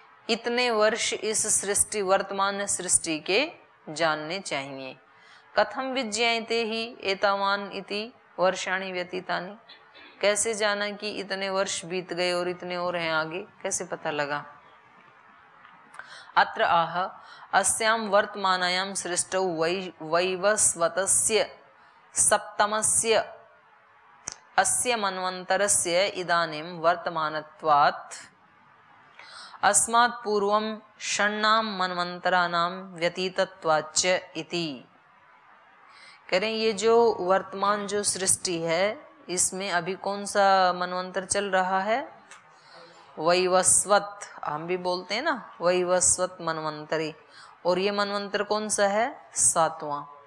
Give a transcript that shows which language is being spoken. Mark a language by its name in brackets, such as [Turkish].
[Hindi] इतने वर्ष इस सृष्टि वर्तमान सृष्टि के जानने चाहिए। [Sanskrit] कथम विज्ञायते ही एतावान इति वर्षाणि व्यतीतानि [Hindi] कैसे जाना कि इतने वर्ष बीत गए और इतने और हैं आगे कैसे पता लगा। [Sanskrit] अत्र आह अस्याम वर्तमानायाम सृष्टौ वैवस्वतस्य सप्तमस्य अस्य मन्वंतरस्य इदानीं वर्तमानत्वात् अस्मात् पूर्वं षण्णां मन्वंतराणां व्यतीतत्वाच्च इति। [Hindi] कह रहे हैं ये जो वर्तमान जो सृष्टि है इसमें अभी कौन सा मन्वंतर चल रहा है। वैवस्वत हम भी बोलते हैं ना वैवस्वत मन्वंतरी और ये मन्वंतर कौन सा है सातवां।